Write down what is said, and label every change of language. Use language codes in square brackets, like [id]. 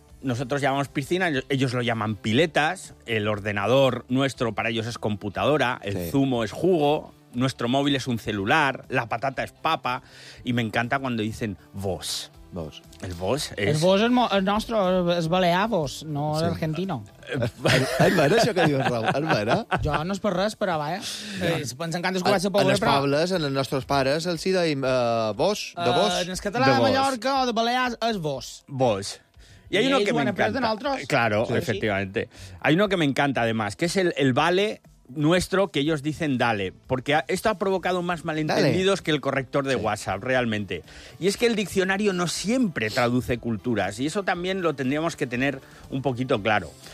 [es] Nosotros llamamos piscina, ellos lo llaman piletas. El ordenador nuestro para ellos es computadora. El zumo es jugo. Nuestro móvil es un celular, la patata es papa, y me encanta cuando dicen vos. Vos. El vos es... El vos es el nuestro, es balear vos, no el argentino. [ca] ¿Es vera això que dius, Raúl? ¿Es vera? Jo no és per res, però va, Se pensen que han descobert el pobre, però... Pobles, en els nostres pares, els hi deim vos, de vos. En el català de Mallorca o de Balears és vos. [es] Vos. Y hay uno que me encanta. Claro, efectivamente. Hay uno que me encanta, además, que es el vale... nuestro, que ellos dicen dale, porque esto ha provocado más malentendidos que el corrector de WhatsApp, realmente. Y es que el diccionario no siempre traduce culturas, y eso también lo tendríamos que tener un poquito claro.